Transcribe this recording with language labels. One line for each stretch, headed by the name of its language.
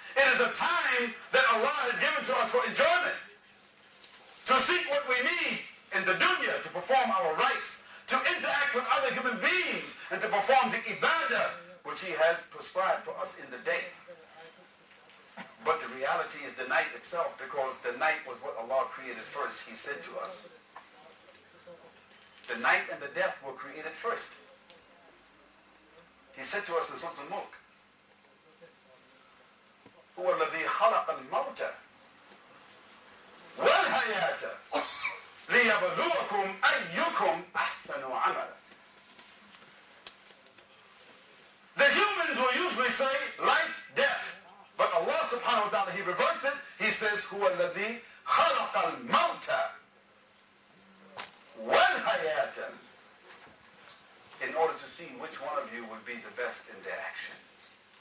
English: It is a time that Allah has given to us for enjoyment, to seek what we need in the dunya, to perform our rites, to interact with other human beings, and to perform the ibadah which He has prescribed for us in the day. But the reality is the night itself, because the night was what Allah created first. He said to us, the night and the death were created first. He said to us in Surah Al-Mulk,
Arabic: هُوَ الَّذِي خَلَقَ الْمَوْتَ وَالْحَيَاةَ لِيَبْلُوَكُمْ أَيُّكُمْ أَحْسَنُ عَمَلًا.
English: The humans will usually say life, death. But Allah subhanahu wa ta'ala, He reversed it. He says,
Arabic: هُوَ الَّذِي خَلَقَ الْمَوْتَ وَالْحَيَاةَ,
English: in order to see which one of you would be the best in their actions.